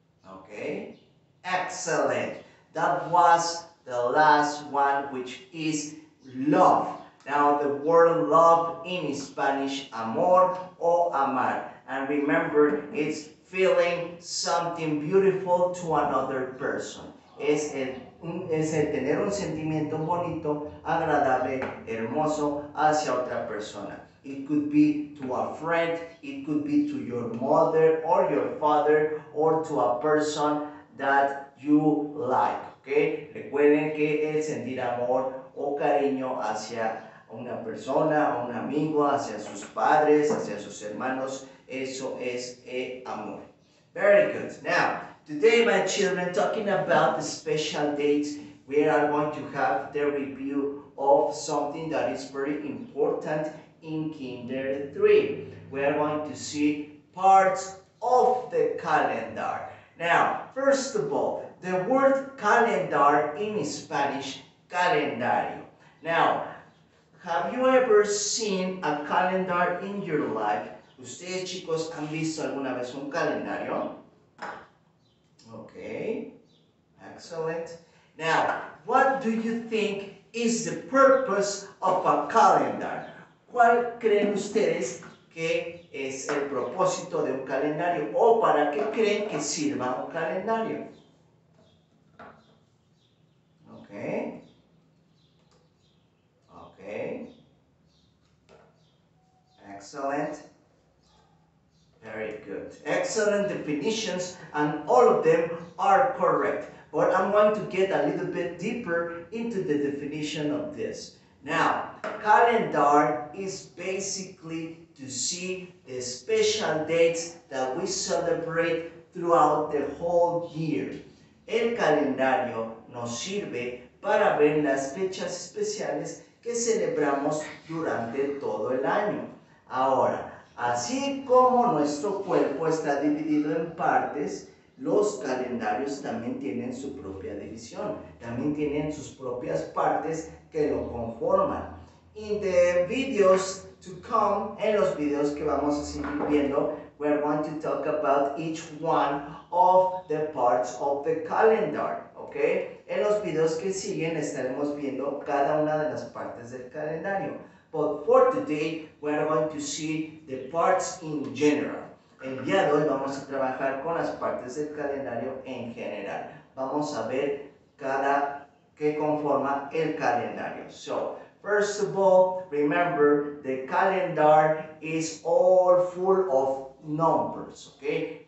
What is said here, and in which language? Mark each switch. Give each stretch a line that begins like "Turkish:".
English: Okay, excellent. That was the last one, which is love. Now, the word love in Spanish,
Spanish: amor o amar.
English: And remember, it's feeling something beautiful to another person.
Spanish: Es el tener un sentimiento bonito, agradable, hermoso hacia otra persona.
English: It could be to a friend, it could be to your mother or your father, or to a person that you like, okay?
Spanish: Recuerden que el sentir amor o cariño hacia una persona, un amigo, hacia sus padres, hacia sus hermanos, eso es el amor.
English: Very good. Now, today, my children, talking about the special dates, we are going to have the review of something that is very important in Kinder 3. We are going to see parts of the calendar. Now, first of all, the word calendar in Spanish, calendario. Now, have you ever seen a calendar in your life?
Spanish: ¿Ustedes, chicos, han visto alguna vez un calendario?
English: Okay, excellent. Now, what do you think is the purpose of a calendar?
Spanish: ¿Cuál creen ustedes que es el propósito de un calendario? ¿O para qué creen que sirva un calendario?
English: Okay. Excellent. Very good. Excellent definitions, and all of them are correct. But I'm going to get a little bit deeper into the definition of this. Now, calendar is basically to see the special dates that we celebrate throughout the whole year.
Spanish: El calendario nos sirve para ver las fechas especiales que que celebramos durante todo el año. Ahora, así como nuestro cuerpo está dividido en partes, los calendarios también tienen su propia división, también tienen sus propias partes que lo conforman.
English: In the videos to come,
Spanish: en los videos que vamos a seguir viendo,
English: we're going to talk about each one of the parts of the calendar, ¿ok?
Spanish: En los videos que siguen estaremos viendo cada una de las partes del calendario. But for today, we're going to see the parts in general. El día de hoy vamos a trabajar con las partes del calendario en general. Vamos a ver cada que conforma el calendario.
English: So, first of all, remember the calendar is all full of numbers, ¿ok?